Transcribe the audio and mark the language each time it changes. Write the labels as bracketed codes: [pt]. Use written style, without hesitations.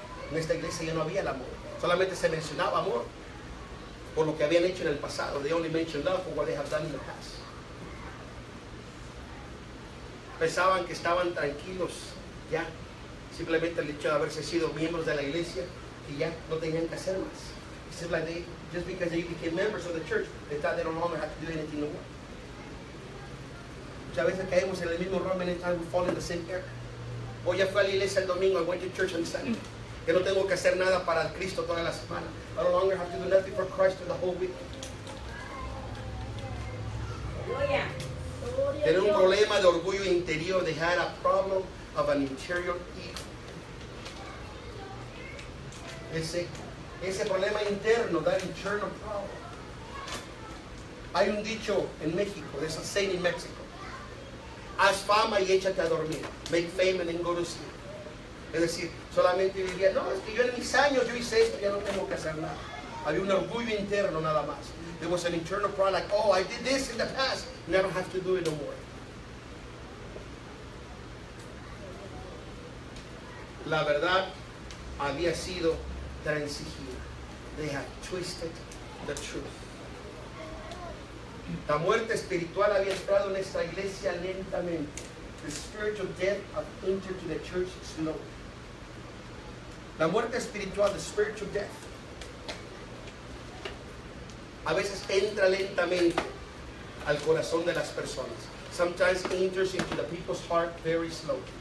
[es] En esta iglesia ya no había el amor. Solamente se mencionaba amor por lo que habían hecho en el pasado. [en] They only mentioned love for what they have done in the past. [es] Pensaban que estaban tranquilos ya. Simplemente el hecho de haberse sido miembros de la iglesia, que ya no tenían que hacer más. [en] It's like they, just because they became members of the church, they thought they don't longer have to do anything more. [es] Muchas veces caemos en el mismo error, [en] many times we fall in the same error. [es] Hoy ya fui a la iglesia el domingo, [en] I went to church on Sunday. [es] Que no tengo que hacer nada para el Cristo toda la semana. [en] I no longer have to do nothing for Christ the whole week. [es] Tener un problema de orgullo interior, [en] they had a problem of an interior ego. [es] Ese problema interno, [en] that internal problem. [es] Hay un dicho en México, [en] there's a saying in Mexico. [es] Haz fama y échate a dormir. [en] Make fame and then go to sleep. [es] Es decir, solamente diría, no, es que yo en mis años yo hice esto, ya no tengo que hacer nada. Había un orgullo interno nada más. [en] There was an internal pride, like, oh, I did this in the past, now I don't have to do it no more. [es] La verdad había sido transigida. [en] They had twisted the truth. [es] La muerte espiritual había entrado en esta iglesia lentamente. [en] The spiritual death had entered to the church slowly. [es] La muerte espiritual, [en] the spiritual death, [es] a veces entra lentamente al corazón de las personas. [en] Sometimes enters into the people's heart very slowly.